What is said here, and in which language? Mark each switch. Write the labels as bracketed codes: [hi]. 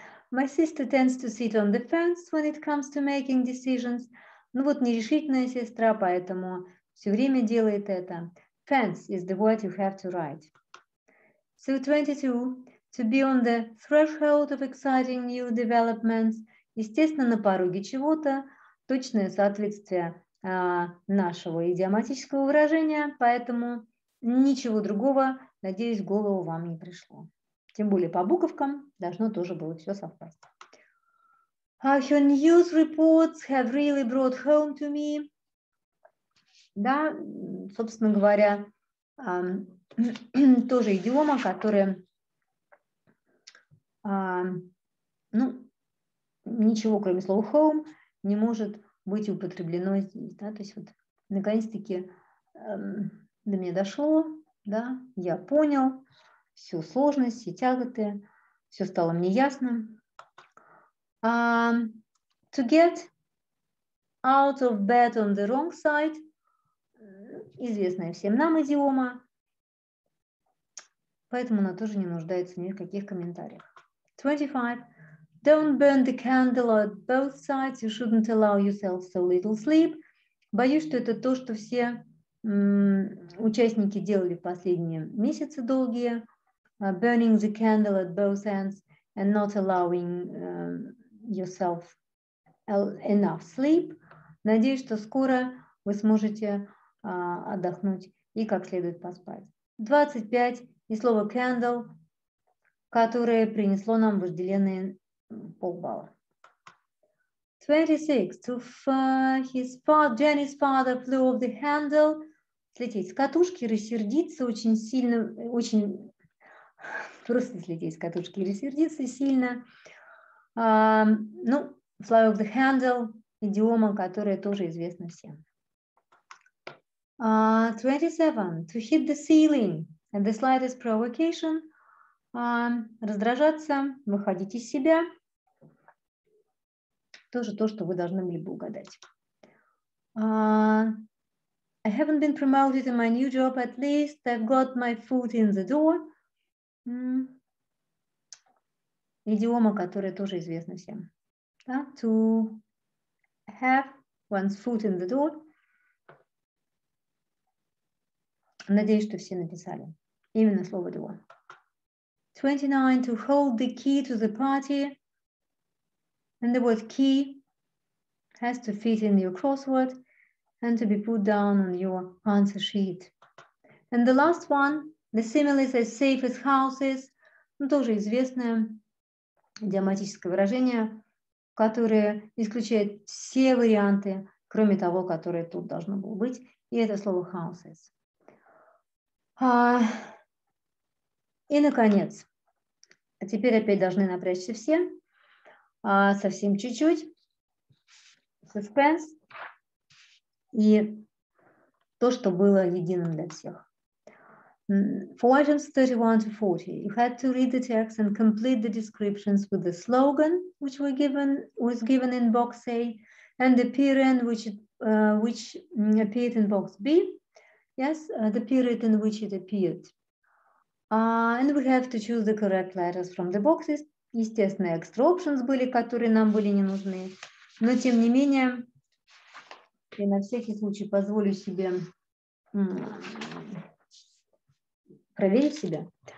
[en] My sister tends to sit on the fence when it comes to making decisions. [ru] Ну вот нерешительная сестра, поэтому все время делает это. [en] Fence is the word you have to write. So 22. To be on the threshold of exciting new developments. [ru] Естественно, на пороге чего-то. Точное соответствие нашего идиоматического выражения. Поэтому ничего другого, надеюсь, в голову вам не пришло. Тем более по буковкам должно тоже было все совпасть. [en] Her news reports have really brought home to me. [ru] Да, собственно говоря, тоже идиома, которая ну, ничего, кроме слова home, не может быть употреблено здесь. Да? То есть вот наконец-таки до меня дошло, да, я понял всю сложность, все тяготы, все стало мне ясно. [en] To get out of bed on the wrong side, [ru] известная всем нам идиома, поэтому она тоже не нуждается ни в каких комментариях. 25. [en] Don't burn the candle at both sides, you shouldn't allow yourself so little sleep. [ru] Боюсь, что это то, что все участники делали в последние месяцы долгие. [en] Burning the candle at both ends and not allowing yourself enough sleep. [ru] Надеюсь, что скоро вы сможете отдохнуть и как следует поспать. 25. И слово candle, которое принесло нам вожделенные полбалла. 26. [en] To his father, Jenny's father flew off the handle. [ru] Слететь с катушки, рассердиться очень сильно, просто слететь с катушки и рассердиться сильно. Ну, [en] fly off the handle, [ru] идиома, которая тоже известна всем. 27. [en] To hit the ceiling at the slightest provocation. [ru] Раздражаться, выходить из себя. Тоже то, что вы должны были бы угадать. [en] I haven't been promoted in my new job at least. I've got my foot in the door. [ru] Идиома, которая тоже известна всем. Да? [en] To have one's foot in the door. [ru] Надеюсь, что все написали именно слово door. [en] 29. To hold the key to the party. And the word key has to fit in your crossword and to be put down on your answer sheet. And the last one. The simile is as safe as houses. [ru] Ну, тоже известное идиоматическое выражение, которое исключает все варианты, кроме того, которое тут должно было быть. И это слово houses. И, наконец, теперь опять должны напрячься все. Совсем чуть-чуть. Suspense. И то, что было единым для всех. [en] For items 31 to 40, you had to read the text and complete the descriptions with the slogan, which were given, was given in box A, and the period which appeared in box B. Yes, the period in which it appeared. And we have to choose the correct letters from the boxes. [ru] Естественно, [en] extra options [ru] были, которые нам были не нужны. Но, тем не менее, я на всякий случай позволю себе проверить себя.